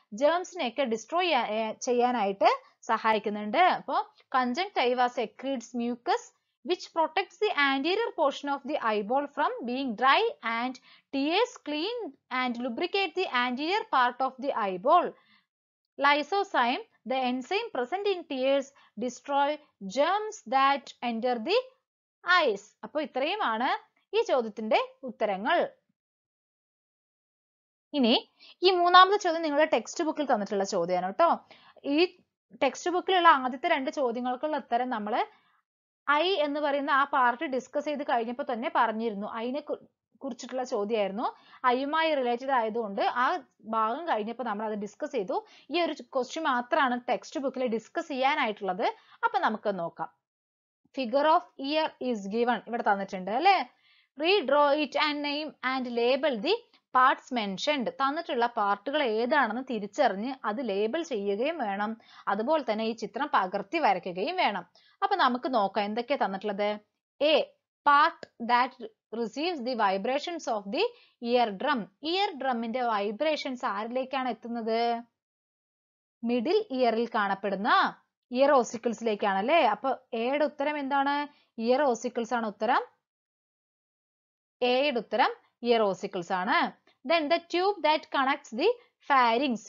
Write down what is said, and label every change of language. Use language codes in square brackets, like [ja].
[ml] ജേംസിനെ ഒക്കെ ഡിസ്ട്രോയ് ചെയ്യാനായിട്ട് സഹായിക്കുന്നുണ്ട്. [en] അപ്പോ conjunctiva secretes mucus which protects the anterior portion of the eyeball from being dry and tears clean and lubricate the anterior part of the eyeball. Lysozyme the enzyme present in tears destroy germs that enter the eyes. [ml] അപ്പോൾ ഇത്രയുമാണ് ഈ ചോദ്യത്തിന്റെ ഉത്തരങ്ങൾ. ഇനി ഈ മൂന്നാമത്തെ ചോദ്യം നിങ്ങളുടെ ടെക്സ്റ്റ് ബുക്കിൽ തന്നിട്ടുള്ള ചോദ്യമാണ് കേട്ടോ. ഈ ടെക്സ്റ്റ് ബുക്കിലുള്ള ആദ്യത്തെ രണ്ട് ചോദ്യങ്ങൾക്കുള്ള ഉത്തരം നമ്മൾ ഐ എന്ന് പറയുന്ന ആ പാർട്ട് ഡിസ്കസ് ചെയ്ത് കഴിഞ്ഞപ്പോൾ തന്നെ പറഞ്ഞിരുന്നു. ഐനെ കുറിച്ചിട്ടുള്ള ചോദ്യമായിരുന്നു, ഐയുമായി റിലേറ്റഡ് ആയതുകൊണ്ട് ആ ഭാഗം കഴിഞ്ഞപ്പോൾ നമ്മൾ അത് ഡിസ്കസ് ചെയ്തു. ഈ ഒരു ക്വസ്റ്റ്യൻ മാത്രമാണ് ടെക്സ്റ്റ് ബുക്കിൽ ഡിസ്കസ് ചെയ്യാനായിട്ടുള്ളത്. അപ്പൊ നമുക്ക് നോക്കാം. [en] figure of ear is given, [ml] ഇവിടെ തന്നിട്ടുണ്ട് അല്ലേ. [en] Redraw it and name and label the parts mentioned. [ml] തന്നിട്ടുള്ള പാർട്ടുകൾ ഏതാണെന്ന് തിരിച്ചറിഞ്ഞ് അത് ലേബൽ ചെയ്യുകയും വേണം. അതുപോലെ തന്നെ ഈ ചിത്രം പകർത്തി വരയ്ക്കുകയും വേണം. അപ്പൊ നമുക്ക് നോക്കാം എന്തൊക്കെയാ തന്നിട്ടുള്ളത്. [en] A part that receives the vibrations of the ear drum. [ml] Ear drum ന്റെ വൈബ്രേഷൻസ് ആരിലേക്കാണ് എത്തുന്നത്? മിഡിൽ ഇയറിൽ കാണപ്പെടുന്ന ഇയർ ഓസിക്കിൾസിലേക്കാണ് അല്ലേ. അപ്പൊ എയുടെ ഉത്തരം എന്താണ്? ഇയർ ഓസിക്കിൾസ് ആണ് ഉത്തരം. എയുടെ ഉത്തരം ഇയർ ഓസിക്കിൾസ് ആണ്. [en] Then the tube that connects the pharynx.